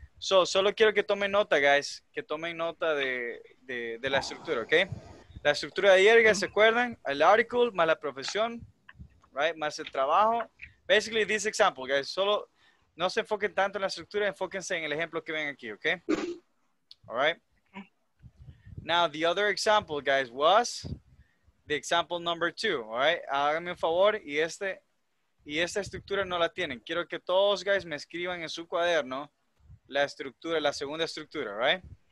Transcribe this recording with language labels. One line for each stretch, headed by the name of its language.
Spanish: So, solo quiero que tomen nota, guys. Que tomen nota de la estructura, okay? La estructura de ayer, guys, ¿se acuerdan? El article, más la profesión, right? Más el trabajo.
English: Basically, this example, guys.
Spanish: Solo no se enfoquen tanto en la estructura, enfóquense en el ejemplo que ven aquí, okay?
English: All right. Now, the other example, guys, was the example number two, all right?
Spanish: Háganme un favor y esta estructura no la tienen. Quiero que todos, guys, me escriban en su cuaderno la estructura, la segunda estructura,
English: all right?